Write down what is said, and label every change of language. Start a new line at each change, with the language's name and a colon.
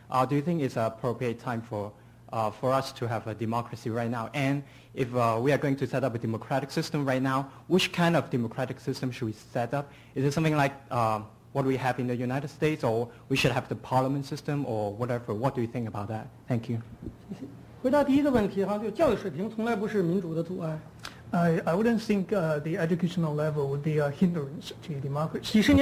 English: Do you think it's an appropriate time for us to have a democracy right now? And if we are going to set up a democratic system right now, which kind of democratic system should we set up? Is it something like what we have in the United States, or we should have the parliament system, or whatever? What do you think about that? Thank you.
Chinese: 回答第一个问题哈，就教育水平从来不是民主的阻碍。
English: I wouldn't think the educational level would be a hindrance to democracy.